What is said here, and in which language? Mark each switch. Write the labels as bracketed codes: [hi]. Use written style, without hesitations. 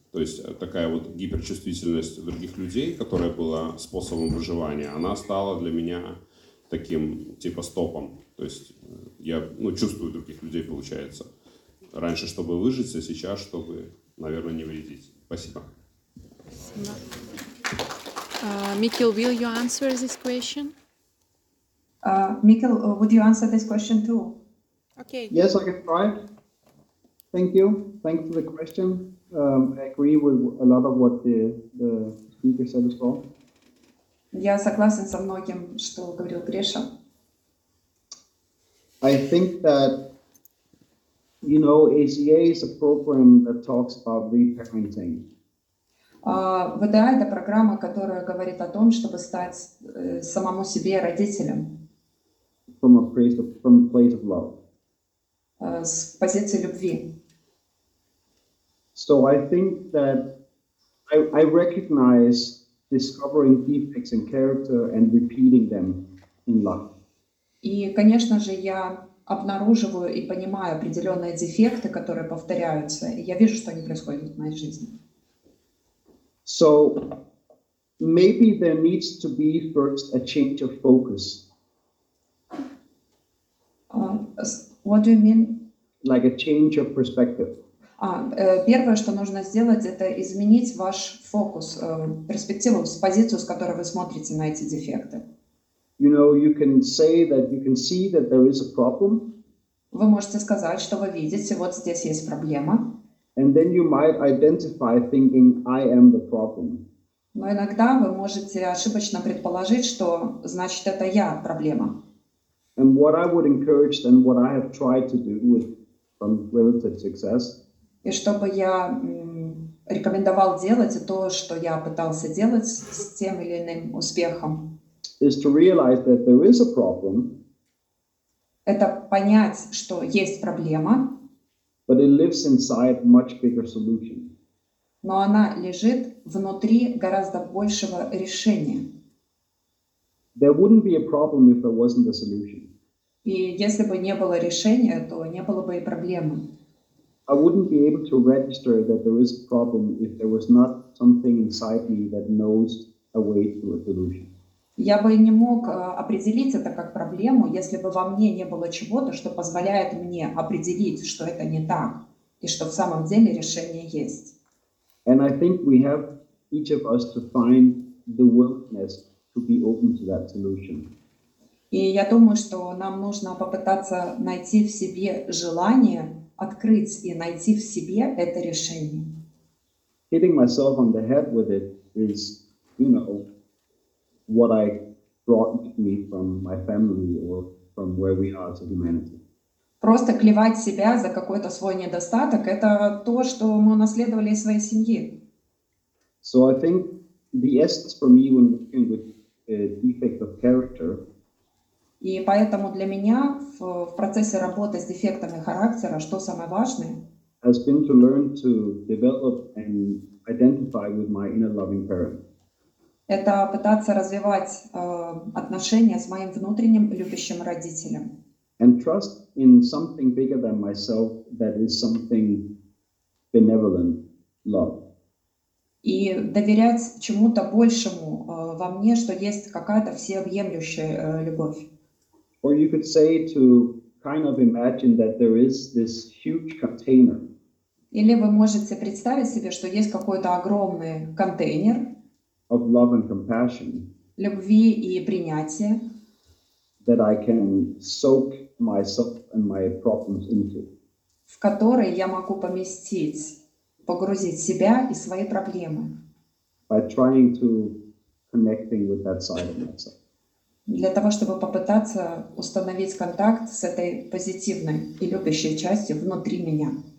[ru] То есть такая вот гиперчувствительность других людей, которая была способом выживания, она стала для меня таким, типа, стопом. То есть я, ну, чувствую других людей, получается. Раньше, чтобы выжить, а сейчас, чтобы, наверное, не вредить. Спасибо. [en] Mikkel, will you answer this question? Mikkel, would you answer this question too? Okay. Yes, I can try. Thank you. Thanks for the question. I agree with a lot of what the speaker said as well. [ru] Я согласен со многим, что говорил Гриша. [en] I think that, you know, ACA is a program that talks about reparenting. [ru] ВДА — это программа, которая говорит о том, чтобы стать самому себе родителем. [en] From a place of love. [ru] С позиции любви. [en] So I think that I recognize discovering defects in character and repeating them in love. [ru] И, конечно же, я обнаруживаю и понимаю определенные дефекты, которые повторяются, и я вижу, что они происходят в моей жизни. [en] So maybe there needs to be first a change of focus. What do you mean? Like a change of perspective. [ru] Первое, что нужно сделать, это изменить ваш фокус, перспективу, позицию, с которой вы смотрите на эти дефекты. [en] You know, you can say that you can see that there is a problem. [ru] Вы можете сказать, что вы видите, вот здесь есть проблема. [en] And then you might identify thinking I am the problem. [ru] Но иногда вы можете ошибочно предположить, что значит это я проблема. [en] And what I would encourage and what I have tried to do with from relative success. [ru] И что бы я рекомендовал делать, и то, что я пытался делать с тем или иным успехом. [en] Is to realize that there is a problem. [ru] Это понять, что есть проблема. [en] But it lives inside much bigger solution. [ru] Но она лежит внутри гораздо большего решения. [en] There wouldn't be a problem if there wasn't a solution. [ru] И если бы не было решения, то не было бы и проблемы. [en] I wouldn't be able to register that there is a problem if there was not something inside me that knows a way to a solution. [ru] Я бы не мог определить это как проблему, если бы во мне не было чего-то, что позволяет мне определить, что это не так, и что в самом деле решение есть. [en] And I think we have each of us to find the willingness to be open to that solution. [ru] И я думаю, что нам нужно попытаться найти в себе желание открыть и найти в себе это решение. [en] Hitting myself on the head with it is, you know, what I brought with me from my family or from where we are as a humanity. [ru] Просто клевать себя за какой-то свой недостаток — это то, что мы унаследовали из своей семьи. [en] So I think the essence for me when working with a defect of character. [ru] И поэтому для меня в процессе работы с дефектами характера, что самое важное? [en] Has been to learn to develop and identify with my inner loving parent. [ru] Это пытаться развивать отношения с моим внутренним любящим родителем. [en] And trust in something bigger than myself, that is something benevolent love. [ru] И доверять чему-то большему во мне, что есть какая-то всеобъемлющая любовь. [en] Or you could say to kind of imagine that there is this huge container. [ru] Или вы можете представить себе, что есть какой-то огромный контейнер. [en] Of love and compassion. [ru] Любви и принятия. [en] That I can soak myself and my problems into. [ru] В который я могу поместить, погрузить себя и свои проблемы. [en] By trying to connecting with that side of myself. [ru] Для того, чтобы попытаться установить контакт с этой позитивной и любящей частью внутри меня.